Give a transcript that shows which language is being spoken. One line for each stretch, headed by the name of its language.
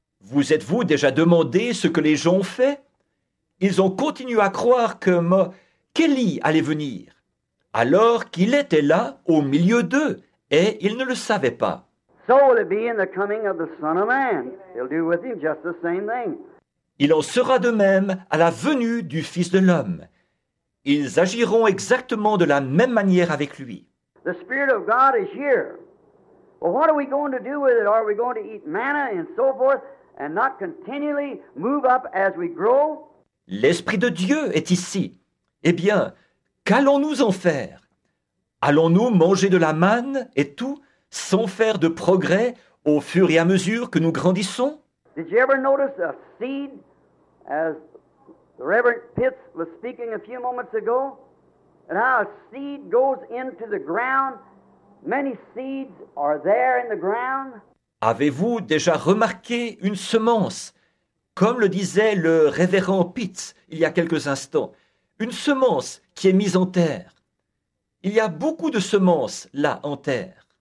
French: Vous êtes-vous déjà demandé ce que les gens ont fait? Ils ont continué à croire qu'Élie allait venir, alors qu'il était là au milieu d'eux, et ils ne le savaient pas.
English: So will it be in the coming of the Son of Man. He'll do with him just the same thing.
French: Il en sera de même à la venue du Fils de l'homme. Ils agiront exactement de la même manière avec lui.
English: The Spirit of God is here. Well, what are we going to do with it? Are we going to eat manna and so forth and not continually move up as we grow?
French: L'Esprit de Dieu est ici. Eh bien, qu'allons-nous en faire? Allons-nous manger de la manne et tout sans faire de progrès au fur et à mesure que nous grandissons?
English: Did you ever notice a seed, as the Reverend Pitts was speaking a few moments ago, and how a seed goes into the ground? Many seeds are there in the ground.
French: Avez-vous déjà remarqué une semence? Comme le disait le Révérend Pitts il y a quelques instants, une semence qui est mise en terre. Il y a beaucoup de semences là en terre.